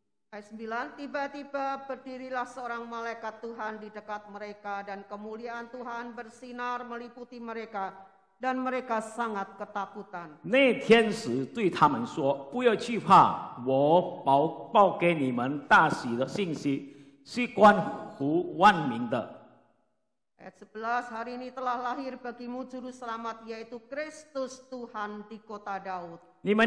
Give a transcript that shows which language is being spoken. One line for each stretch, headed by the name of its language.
Indonesian: Ayat 9, tiba-tiba berdirilah seorang malaikat Tuhan di dekat mereka, dan kemuliaan Tuhan bersinar meliputi mereka. dan mereka sangat ketakutan.
Chinese: 那天使对他们说：“不要惧怕，我报给你们大喜的信息，是关乎万民的。”
Indonesian: Ayat 11, hari ini telah lahir bagimu juru selamat yaitu Kristus Tuhan di kota Daud.